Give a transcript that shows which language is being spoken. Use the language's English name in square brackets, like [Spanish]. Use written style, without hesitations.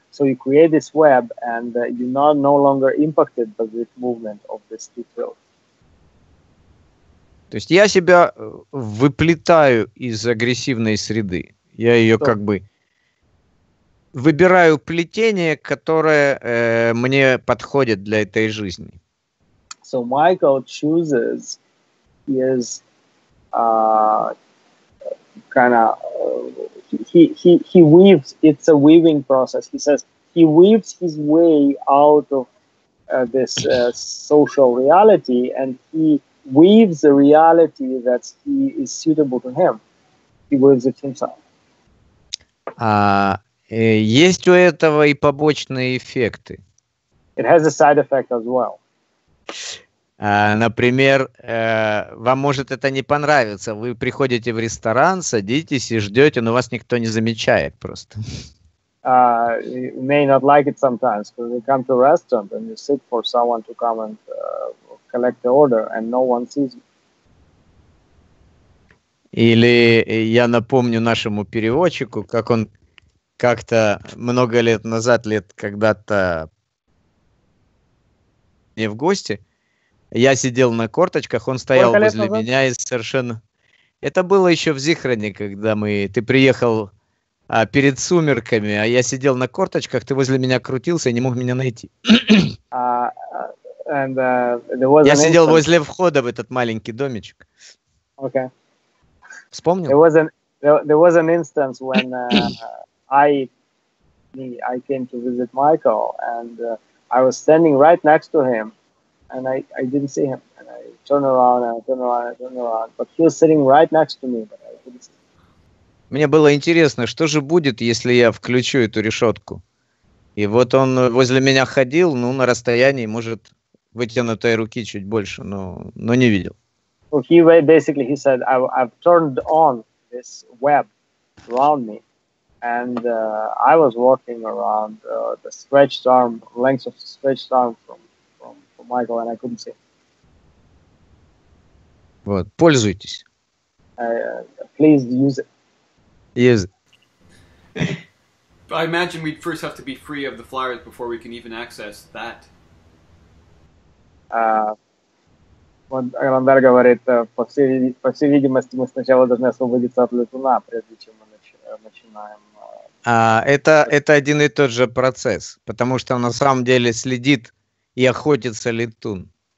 [English] So you create this web, and you're not no longer impacted by the movement of this two fields. [Russian] То есть я себя выплетаю из агрессивной среды. Я ее как бы выбираю плетение, которое мне подходит для этой жизни. [English] So Michael chooses his kind of he weaves. It's a weaving process. He says he weaves his way out of this social reality, and he weaves the reality that he is suitable to him. He weaves it himself. [Russian] Есть у этого и побочные эффекты. [English] It has a side effect as well. [Russian] Например, вам может это не понравиться. Вы приходите в ресторан, садитесь и ждете, но вас никто не замечает просто. [English] You may not like it sometimes, because you come to a restaurant and you sit for someone to come and collect the order, and no one sees you. [Russian] Или я напомню нашему переводчику, как он как-то много лет назад, лет когда-то не в гости, я сидел на корточках, он стоял возле меня и совершенно... Это было еще в Зихроне, когда мы... Ты приехал перед сумерками, а я сидел на корточках, ты возле меня крутился и не мог меня найти. Я сидел возле входа в этот маленький домичек. [English] Okay. [Russian] Вспомнил? [English] There was an instance when I came to visit Michael, and I was standing right next to him. And I didn't see him. And I turn around, and I turn around, and I turn around. But he was sitting right next to me, but I didn't see him. [Russian] Мне было интересно, что же будет, если я включу эту решетку? И вот он возле меня ходил, ну, на расстоянии, может, вытянутой руки чуть больше, но не видел. [English] Well, he said, I've turned on this web around me. And I was walking around the stretched arm, length of the stretched arm from Michael, and I couldn't see. [Russian] Вот, пользуйтесь. [English] Please use it. Use it. I imagine we'd first have to be free of the flyers before we can even access that. [Russian] Вот Дар говорит, по всей видимости, мы сначала должны освободиться от летуна, прежде чем мы начинаем. Это один и тот же процесс, потому что на самом деле следит и охотится летун.